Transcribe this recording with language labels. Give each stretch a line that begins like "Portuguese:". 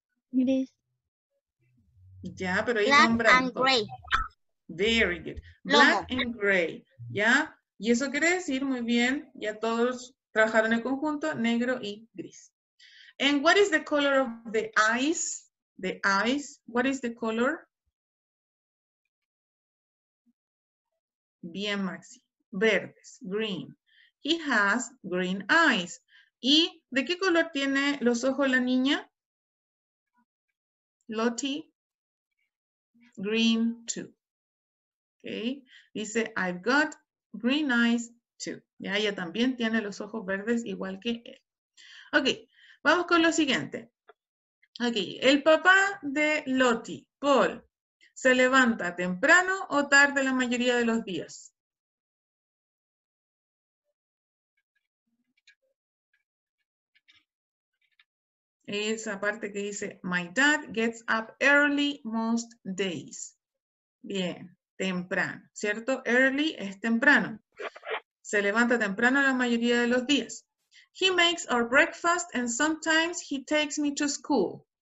Spanish: Gris. Ya, pero ahí es un blanco.
English: Black and gray. Very good. Black Lomo. And gray. ¿Ya?
Spanish: Y eso quiere decir, muy bien, ya todos trabajaron en conjunto, negro y gris.
English: And what is the color of the eyes? The eyes, what is the color?
Spanish: Bien, Maxi. Verdes,
English: green. He has green eyes.
Spanish: ¿Y de qué color tiene los ojos la niña?
English: Loti. Green too. Okay. Dice, I've got green eyes too.
Spanish: Ya, ella también tiene los ojos verdes igual que él. Ok, vamos con lo siguiente. Aquí, okay. El papá de Loti, Paul, ¿se levanta temprano o tarde la mayoría de los días? Esa parte que dice,
English: my dad gets up early most days.
Spanish: Bien, temprano, ¿cierto? Early es temprano. Se levanta temprano la mayoría de los días.
English: He makes our breakfast and sometimes he takes me to school.